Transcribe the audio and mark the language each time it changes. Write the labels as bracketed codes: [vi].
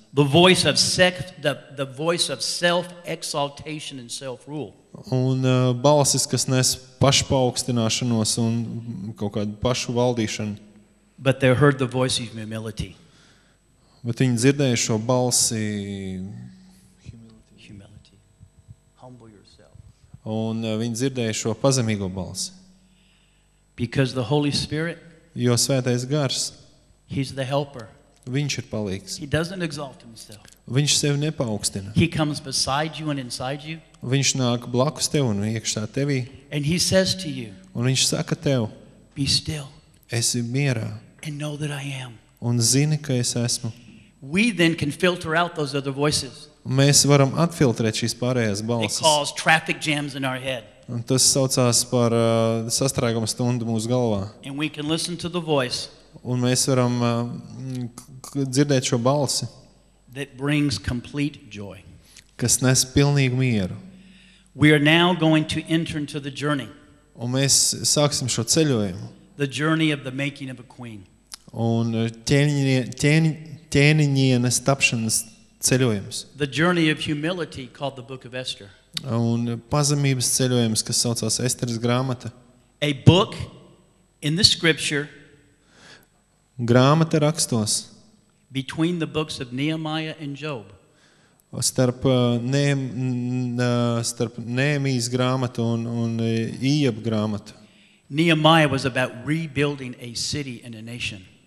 [en] The voice of sect, the voice of self-exaltation and self-rule. [lv] Un balsis, kas nes pašpaukstināšanos un kaut kādu pašu valdīšanu. [en] But they heard the voice of humility. [lv] Bet viņi dzirdēja šo balsi. [en] Humility. Humble yourself. [lv] Un viņi dzirdēja šo pazemīgo balsi. [en] Because the Holy Spirit. [lv] Jo Svētais Gars. [en] He's the helper. [lv] Viņš ir palīgs. [en] He doesn't exalt himself. [lv] Viņš sevi nepaukstina. [en] He comes beside you and inside you. [lv] Viņš nāk blakus tev un iekšā tevī. [en] And he says to you. [lv] Un viņš saka tev. [en] Be still. [lv] Esi mierā. [en] And know that I am. [lv] Un zini, ka es esmu. [en] We then can filter out those other voices. [lv] Mēs varam atfiltrēt šīs pārējās balses. [en] It calls traffic jams in our head. [lv] Un tas saucās par sastrēgumu stundu mūsu galvā. [en] And we can listen to the voice. [lv] Un mēs varam dzirdēt šo balsi. [en] That brings complete joy. [lv] Kas nes pilnīgu mieru. [en] We are now going to enter into the journey. [lv] Un mēs sāksim šo ceļojumu. [en] The journey of the making of a queen. [lv] Un tēniņienes tapšanas ceļojums. [en] The journey of humility called the Book of Esther. [lv] Un pazemības ceļojums, kas saucās Esteres grāmata. [en] A book in the scripture. [lv] Grāmata rakstos. [en] Between the books of Nehemiah and Job. [lv] Starp Nehemijas grāmatu un Ijab grāmatu. [en] Nehemiah was about rebuilding a city and a nation.